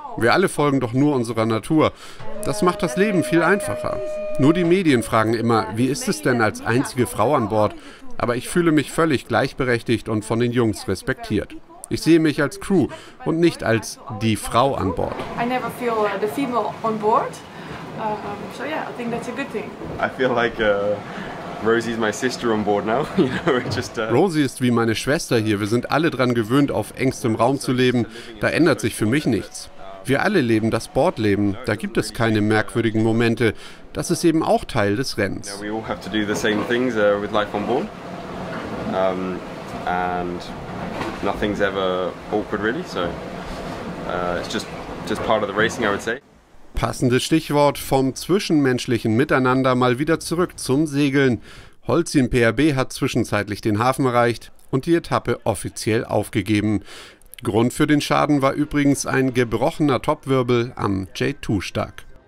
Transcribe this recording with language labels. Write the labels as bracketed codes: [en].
[de] Wir alle folgen doch nur unserer Natur. Das macht das Leben viel einfacher. Nur die Medien fragen immer, wie ist es denn als einzige Frau an Bord? Aber ich fühle mich völlig gleichberechtigt und von den Jungs respektiert. Ich sehe mich als Crew und nicht als die Frau an Bord. [en] I never feel the female on board. So yeah, I think that's a good thing. I feel like Rosie is my sister on board now. [de] Rosie ist wie meine Schwester hier. Wir sind alle dran gewöhnt, auf engstem Raum zu leben. Da ändert sich für mich nichts. Wir alle leben das Bordleben. Da gibt es keine merkwürdigen Momente. Das ist eben auch Teil des Rennens. [en] Yeah, we all have to do the same things with life on board. And nothing's ever awkward really. So it's just part of the racing, I would say. [de] Passendes Stichwort vom zwischenmenschlichen Miteinander mal wieder zurück zum Segeln. Holzi im PRB hat zwischenzeitlich den Hafen erreicht und die Etappe offiziell aufgegeben. Grund für den Schaden war übrigens ein gebrochener Topwirbel am J2-Stag.